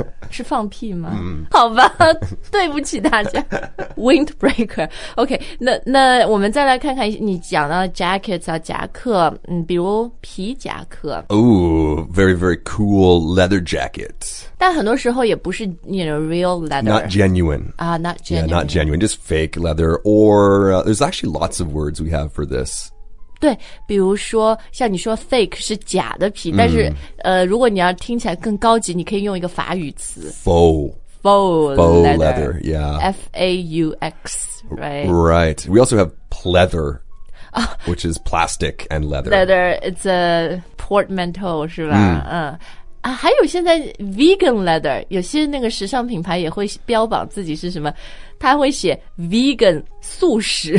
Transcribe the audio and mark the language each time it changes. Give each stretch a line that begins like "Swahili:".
Chinese: 是放屁吗、mm. 好吧对不起大家 Windbreaker OK 那我们再来看看你讲到 jackets 啊夹克、嗯、比如皮夹克
English: Ooh very very cool leather jacket
Chinese: 但很多时候也不是
English: you know real leather Not genuine not genuine Yeah not genuine just fake leather Or、there's actually lots of words we have for this
Chinese: 对比如说像你说 fake 是假的皮、mm. 但是、如果你要听起来更高级你可以用一个法语词
English: Faux leather yeah. F-A-U-X right? right We also have pleather、which is plastic and leather
Chinese: Leather
English: It's a portmanteau
Chinese: 是吧、mm. 嗯啊、还有现在 vegan leather 有些那个时尚品牌也会标榜自己是什么他会写 vegan 素食、